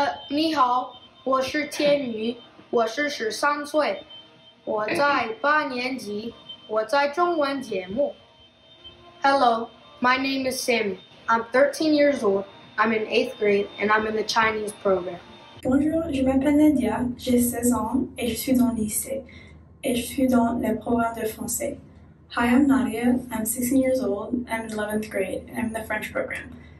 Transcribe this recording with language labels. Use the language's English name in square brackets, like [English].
[Chinese] 你好，我是天宇，我是13岁，我在8年级，我在中文节目。 [English] Hello, my name is Sammy. I'm 13 years old. I'm in 8th grade and I'm in the Chinese program. [French] Bonjour, je m'appelle Nadia, j'ai 16 ans et je suis dans le lycée et je suis dans le programme de français. [English] Hi, I'm Nadia, I'm 16 years old, I'm in 11th grade and I'm in the French program.